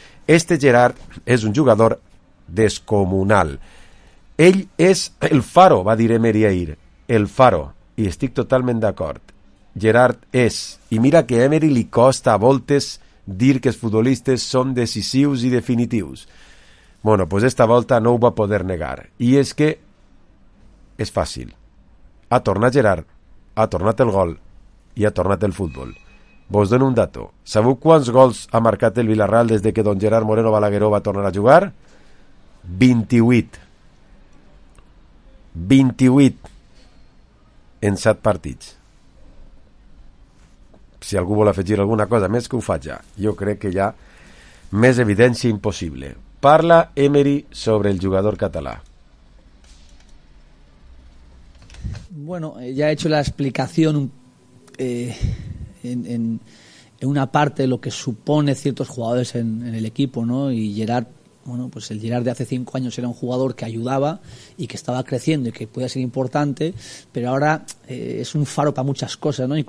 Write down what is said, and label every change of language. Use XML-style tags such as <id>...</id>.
<ca>Este Gerard és un jugador descomunal. Ell és el faro, va dir Emery ahir. El faro. I estic totalment d'acord. Gerard és. I mira que a Emery li costa a voltes dir que els futbolistes són decisius i definitius. Bueno, pues esta volta no ho va poder negar. I és que és fàcil. Ha tornat Gerard, ha tornat el gol i ha tornat el futbol. Vos dono un dato. Sabeu quants gols ha marcat el Villarreal des que don Gerard Moreno Balagueró va tornar a jugar? 28. 28 en 7 partits. Si algú vol afegir alguna cosa més, que ho faig ja. Jo crec que hi ha més evidència impossible. Parla Emery sobre el jugador català.</ca> <es>Bueno, ya he hecho la explicación en una parte de lo que supone ciertos jugadores en el equipo, ¿no? Y Gerard, bueno, pues el Gerard de hace 5 años era un jugador que ayudaba y que estaba creciendo y que podía ser importante, pero ahora es un faro para muchas cosas, ¿no?</es>